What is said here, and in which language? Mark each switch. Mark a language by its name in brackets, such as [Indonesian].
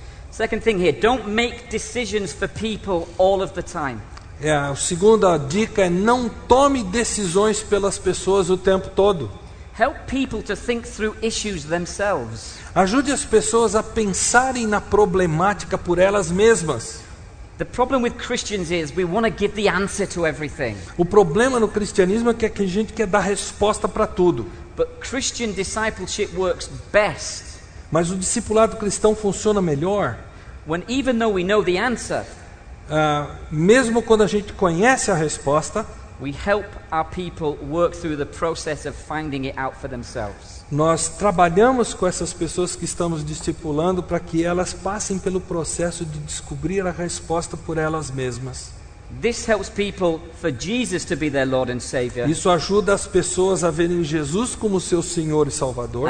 [English] Second thing here, don't make decisions for people all of the time. [Portuguese] É, a segunda dica é não tome decisões pelas pessoas o tempo todo. [English] Help people to think through issues themselves. [Portuguese] Ajude as pessoas a pensarem na problemática por elas mesmas. [English] The problem with Christians is we want to give the answer to everything. [Portuguese] O problema no cristianismo é que a gente quer dar resposta para tudo. [English] But Christian discipleship works best. [Portuguese] Mas o discipulado cristão funciona melhor. [English] When even though we know the answer, [Portuguese] mesmo quando a gente conhece a resposta, [English] we help our people work through the process of finding it out for themselves. [Portuguese] Nós trabalhamos com essas pessoas que estamos discipulando para que elas passem pelo processo de descobrir a resposta por elas mesmas. [English] This helps people for Jesus to be their Lord and Savior. [Portuguese] Isso ajuda as pessoas a verem Jesus como seu Senhor e Salvador.